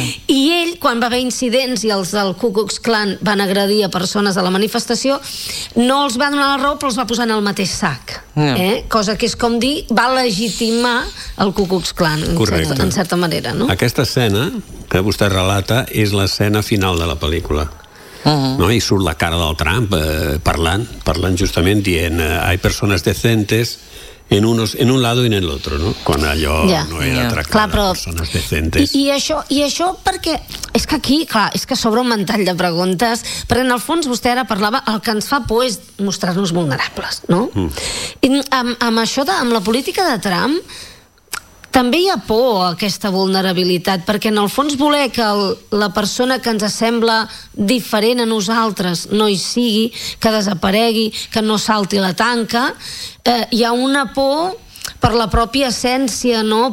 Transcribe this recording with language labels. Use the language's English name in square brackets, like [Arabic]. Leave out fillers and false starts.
[Catalan] I ell, quan va haver incidents i els del Ku Klux Klan van agredir a persones a la manifestació, no els va donar la raó, però els va posar en el mateix sac. Cosa que és com dir, va legitimar el Ku Klux Klan, en certa manera, no? Aquesta escena que vostè relata és l'escena final de la pel·lícula. Uh-huh. No? I surt la cara del Trump parlant justament, dient [Spanish] hay personas decentes en un lado y en el otro, [Catalan] no? Quan allò no era tractar de persones decentes. I això perquè és que aquí, clar, és que s'obre un mantell de preguntes, perquè en el fons vostè ara parlava, el que ens fa por és mostrar-nos vulnerables, no? Uh-huh. I amb això, amb la política de Trump, també hi ha por a aquesta vulnerabilitat, perquè en el fons voler que la persona que ens sembla diferent a nosaltres no hi sigui, que desaparegui, que no salti la tanca, hi ha una por per la pròpia essència, no?